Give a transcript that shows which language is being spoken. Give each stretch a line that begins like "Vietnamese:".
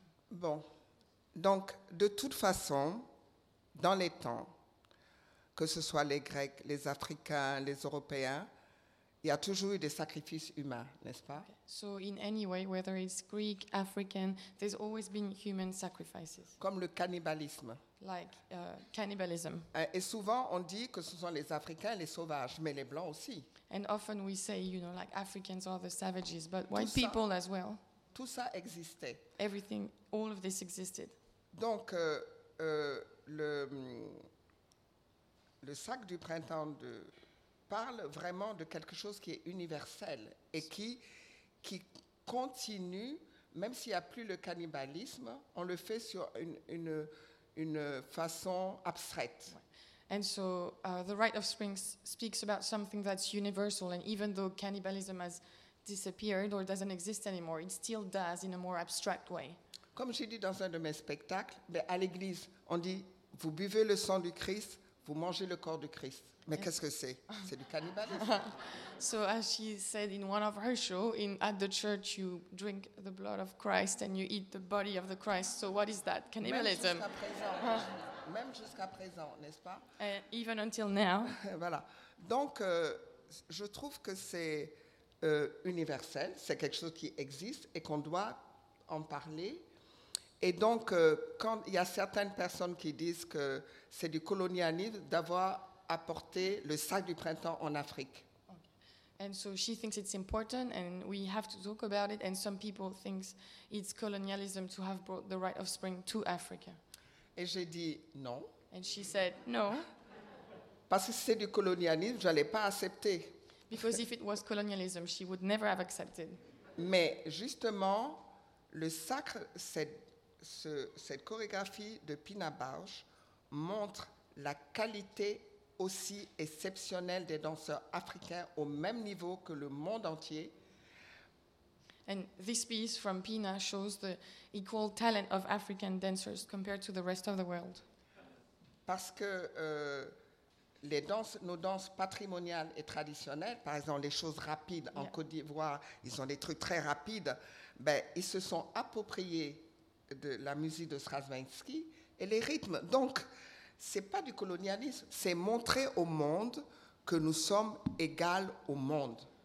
French: Bon, donc de toute façon, dans les temps, que ce soit les Grecs, les Africains, les Européens, il y a toujours eu des sacrifices humains, n'est-ce pas?
English: So in any way, whether it's Greek, African, there's always been human sacrifices.
French: Comme le cannibalisme.
English: Like cannibalism.
French: Et souvent on dit que ce sont les Africains, les sauvages, mais les blancs aussi.
English: And often we say, you know, like Africans are the savages, but white people as well.
French: Tout ça existait.
English: Everything, all of this existed.
French: Donc, le sac du printemps parle vraiment de quelque chose qui est universel et qui continue, même s'il n'y a plus le cannibalisme, on le fait sur une façon abstraite.
English: And so, the Rite of Spring speaks about something that's universal, and even though cannibalism has disappeared or doesn't exist anymore, it still does in a more abstract way.
French: Comme j'ai dit dans un de mes spectacles, mais à l'église, on dit vous buvez le sang du Christ, vous mangez le corps du Christ. Mais qu'est-ce que c'est? C'est du cannibalisme.
English: So as she said in one of her shows, at the church you drink the blood of Christ and you eat the body of the Christ. So what is that? Cannibalism.
French: Même jusqu'à présent, même jusqu'à présent, n'est-ce pas?
English: Even until now.
French: Voilà. Donc je trouve que c'est universel, c'est quelque chose qui existe et qu'on doit en parler. Et donc, quand il y a certaines personnes qui disent que c'est du colonialisme d'avoir apporté le sac du printemps en Afrique.
English: Okay. And so she thinks it's important and we have to talk about it. And some people think it's colonialism to have brought the Rite of Spring to Africa.
French: Et j'ai dit non.
English: And she said no.
French: Parce que si c'est du colonialisme, je n'allais pas accepter.
English: Because if it was colonialism, she would never have accepted.
French: Mais justement, le sacre, cette chorégraphie de Pina Bausch montre la qualité aussi exceptionnelle des danseurs africains au même niveau que le monde entier.
English: And this piece from Pina shows the equal talent of African dancers compared to the rest of the world.
French: Parce que les danses, nos danses patrimoniales et traditionnelles, par exemple les choses rapides en Côte d'Ivoire, ils ont des trucs très rapides, ben, ils se sont appropriés de la musique de Stravinsky et les rythmes. Donc, ce n'est pas du colonialisme, c'est montrer au monde que nous sommes égales au monde.